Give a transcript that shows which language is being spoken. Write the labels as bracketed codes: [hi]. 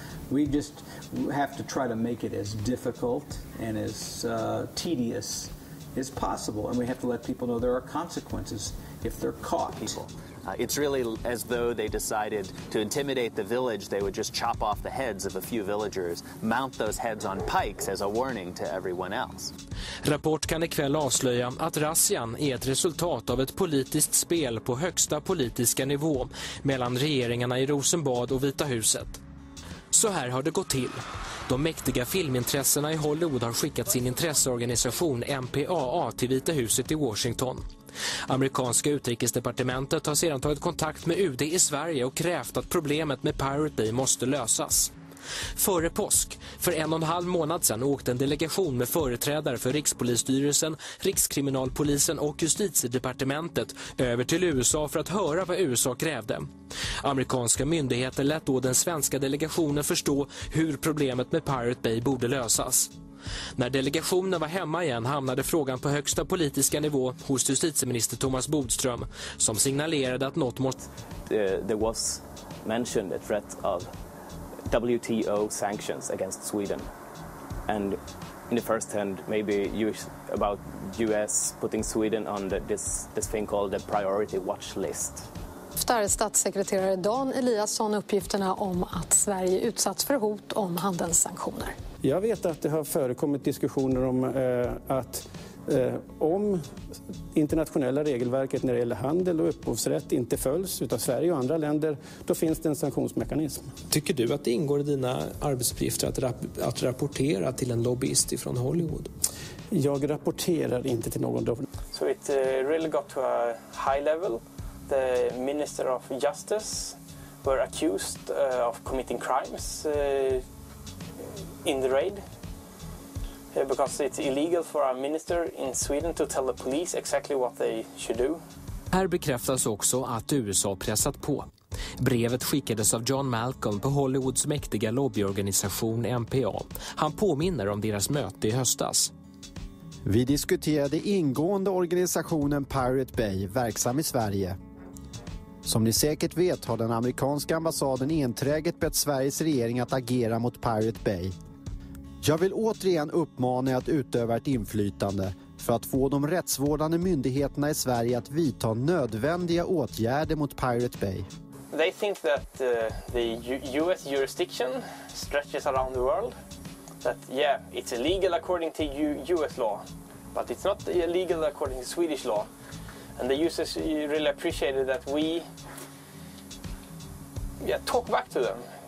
[en] We just have to try to make it as difficult and as tedious as possible. And we have to let people know there are consequences if they're caught. People. It's really as though they decided to intimidate the village. They would just chop off the heads of a few villagers, mount those heads on pikes as a warning to everyone else. [sv] Rapport kan ikväll avslöja att razzian är ett resultat av ett politiskt spel på högsta politiska nivå mellan regeringarna i Rosenbad och Vita huset. Så här har det gått till. De mäktiga filmintressena i Hollywood har skickat sin intresseorganisation MPAA till Vita huset i Washington. Amerikanska utrikesdepartementet har sedan tagit kontakt med UD i Sverige och krävt att problemet med piracy måste lösas. Före påsk, för en och en halv månad sedan, åkte en delegation med företrädare för Rikspolisstyrelsen, Rikskriminalpolisen och Justitiedepartementet över till USA för att höra vad USA krävde. Amerikanska myndigheter lät då den svenska delegationen förstå hur problemet med Pirate Bay borde lösas. När delegationen var hemma igen hamnade frågan på högsta politiska nivå hos justitieminister Thomas Bodström, som signalerade att något måste... [en] There was mentioned a threat of WTO sanctions against Sweden, and in the first hand maybe you about US putting Sweden on this thing called the priority watch list. [sv] Efter statssekreterare Dan Eliasson uppgifterna om att Sverige utsatts för hot om handelssanktioner. Jag vet att det har förekommit diskussioner om att om internationella regelverket när det gäller handel och upphovsrätt inte följs utav Sverige och andra länder, då finns det en sanktionsmekanism. Tycker du att det ingår i dina arbetsuppgifter att rapportera till en lobbyist ifrån Hollywood? Jag rapporterar inte till någon. [en] So it really got to a high level. The Minister of Justice were accused of committing crimes in the raid. Yeah, because it's illegal for a minister in Sweden to tell the police exactly what they should do. [sv] Här bekräftas också att USA pressat på. Brevet skickades av John Malcolm på Hollywoods mäktiga lobbyorganisation MPA. Han påminner om deras möte i höstas. Vi diskuterade ingående organisationen Pirate Bay, verksam i Sverige. Som ni säkert vet har den amerikanska ambassaden enträget bett Sveriges regering att agera mot Pirate Bay. Jag vill återigen uppmana er att utöva ett inflytande för att få de rättsvårdande myndigheterna i Sverige att vidta nödvändiga åtgärder mot Pirate Bay. [en] They think that the US jurisdiction stretches around the world. That yeah, it's illegal according to US law, but it's not illegal according to Swedish law. And the users really appreciated that we talk back to them.